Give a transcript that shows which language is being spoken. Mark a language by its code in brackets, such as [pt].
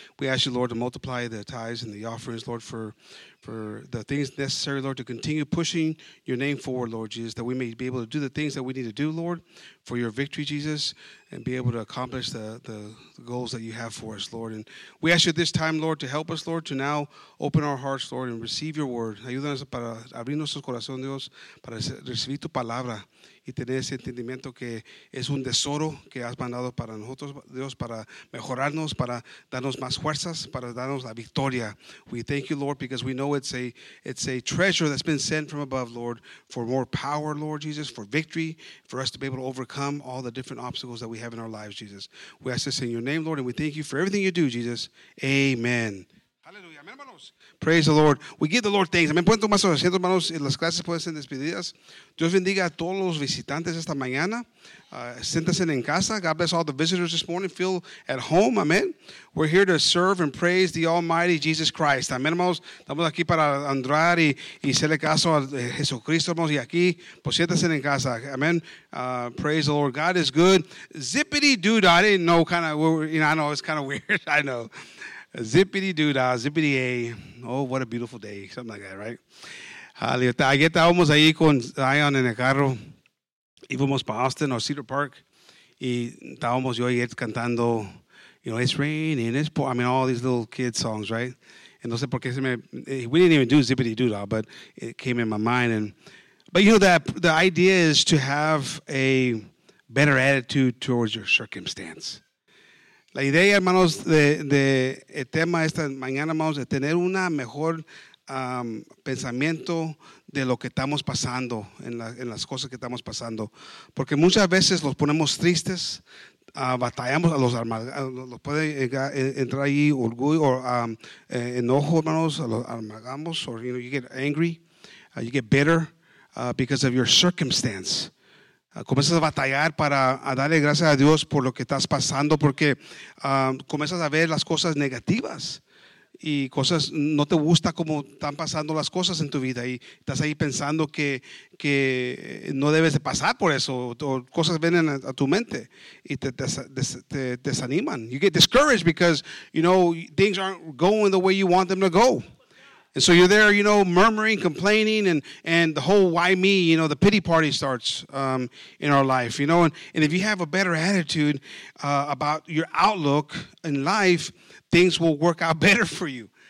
[en] We ask you, Lord, to multiply the tithes and the offerings, Lord, for the things necessary, Lord, to continue pushing your name forward, Lord Jesus, that we may be able to do the things that we need to do, Lord, for your victory, Jesus, and be able to accomplish the goals that you have for us, Lord. And we ask you at this time, Lord, to help us, Lord, to now open our hearts, Lord, and receive your word. [es] Ayúdanos para abrir nuestros corazones, Dios, para recibir tu palabra y tener ese entendimiento que es un tesoro que has mandado para nosotros, Dios, para mejorarnos, para darnos más fuerzas, para darnos la victoria. [en] We thank you, Lord, because we know it's a treasure that's been sent from above, Lord, for more power, Lord Jesus, for victory, for us to be able to overcome all the different obstacles that we have in our lives, Jesus. We ask this in your name, Lord, and we thank you for everything you do, Jesus. Amen. Hallelujah. Amen, hermanos. Praise the Lord. We give the Lord thanks. Amen. [es] Pueden tomar sus asientos, hermanos, y las clases pueden ser despedidas. Dios bendiga a todos los visitantes esta mañana. Siéntase en casa. [en] God bless all the visitors this morning. Feel at home. Amen. We're here to serve and praise the Almighty Jesus Christ. Amen, hermanos. [es] Estamos aquí para honrar y hacerle caso a Jesucristo, hermanos. Y aquí, pues siéntase en casa. [en] Amen. Praise the Lord. God is good. Zippity-doo-dah. I didn't know kind of, you know, I know it's kind of weird. I know. Zippity-doo-dah, zippity-a. Oh, what a beautiful day. Something like that, right? Hallelujah. [es] Ayer estábamos ahí con Zion en el carro. Íbamos para Austin o Cedar Park. Y estábamos yo y él cantando, [en] you know, it's raining, it's pouring. I mean, all these little kids' songs, right? And [es] no sé por qué se me... [en] We didn't even do zippity-doo-dah, but it came in my mind. But, you know, the idea is to have a better attitude towards your circumstance. [es] La idea, hermanos, de el tema esta mañana, hermanos, de tener una mejor pensamiento de lo que estamos pasando, en las cosas que estamos pasando. Porque muchas veces los ponemos tristes, batallamos a los amargados. Puede entrar ahí orgullo o enojo, hermanos, a los amargamos. [en] Or, you know, you get angry, you get bitter because of your circumstance. [es] Comienzas a batallar para a darle gracias a Dios por lo que estás pasando porque comienzas a ver las cosas negativas y cosas no te gusta cómo están pasando las cosas en tu vida y estás ahí pensando que no debes de pasar por eso o cosas vienen a tu mente y te desaniman. [en] You get discouraged because, you know, things aren't going the way you want them to go. And so you're there, you know, murmuring, complaining, and the whole why me, you know, the pity party starts in our life, you know. And if you have a better attitude about your outlook in life, things will work out better for you.